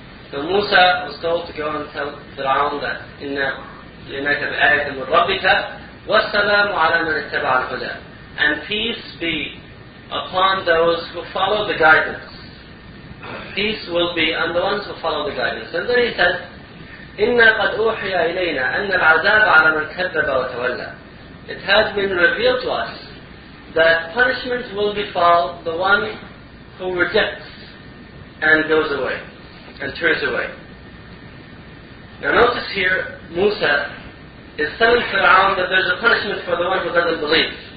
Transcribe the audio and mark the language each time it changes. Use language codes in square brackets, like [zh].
[en] So Musa was told to go and tell Fir'aun that [ar] إِنَّ لِنَكَ بِآيَةٍ مِنْ رَبِّكَ وَالسَّلَامُ عَلَى مَنِ اتَّبَعَ الْهُدَى. [en] And peace be upon those who follow the guidance. Peace will be on the ones who follow the guidance. And then he said, [ar] إِنَّا قَدْ أُوحِيَ إِلَيْنَا أَنَّ الْعَذَابَ عَلَى مَنْ كَذَّبَ وَتَوَلَّى. [en] It has been revealed to us that punishment will befall the one who rejects and goes away, and turns away. Now notice here, Musa is telling Fir'aun that there's a punishment for the one who doesn't believe.